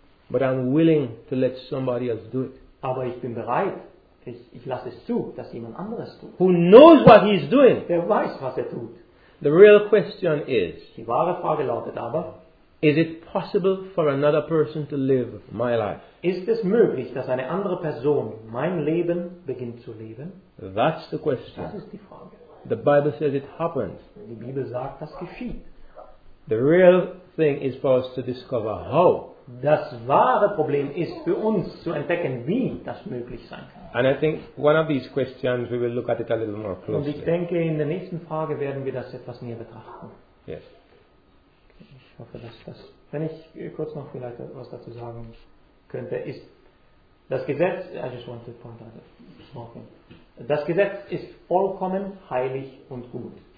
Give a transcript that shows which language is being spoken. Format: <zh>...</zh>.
<en>But I'm willing to let somebody else do it.</en> <de>Aber ich bin bereit. Ich lasse es zu, dass jemand anderes tut.</de> <en>Who knows what he's doing?</en> <de>Der weiß, was er tut.</de> <en>The real question is.</en> <de>Die wahre Frage lautet aber.</de> <en>Is it possible for another person to live my life?</en> <de>Ist es möglich, dass eine andere Person mein Leben beginnt zu leben?</de> <en>That's the question.</en> <de>Das ist die Frage.</de> <en>The Bible says it happens.</en> <de>Die Bibel sagt, das geschieht.</de> <en>The real thing is for us to discover how.</en> <de>Das wahre Problem ist für uns zu entdecken, wie das möglich sein kann.</de> <en>And I think one of these questions we will look at it a little more closely.</en> <de>Und ich denke, in der nächsten Frage werden wir das etwas näher betrachten.</de> <en>Yes.</en> <de>Ich hoffe, dass das. Wenn ich kurz noch vielleicht was dazu sagen könnte, ist das Gesetz.</de> <en>I just want to point out a small thing.</en> <de>Das Gesetz ist vollkommen heilig und gut.</de>